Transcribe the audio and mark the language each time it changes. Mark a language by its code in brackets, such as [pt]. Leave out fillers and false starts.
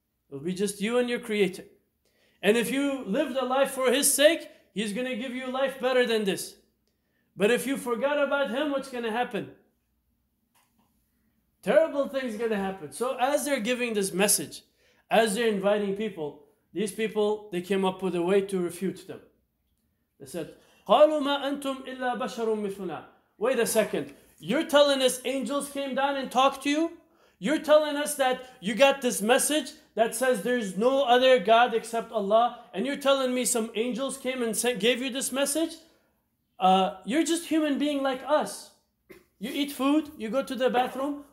[en] It'll be just you and your Creator. And if you lived a life for His sake, He's going to give you life better than this. But if you forgot about Him, what's going to happen? Terrible things are going to happen. So as they're giving this message, as they're inviting people, these people, they came up with a way to refute them. They said, [ar] قَالُوا مَا أَنْتُمْ إِلَّا بَشَرٌ مِثْلُنَا. [en] Wait a second. You're telling us angels came down and talked to you? You're telling us that you got this message that says there's no other God except Allah, and you're telling me some angels came and gave you this message? You're just human being like us. You eat food, you go to the bathroom.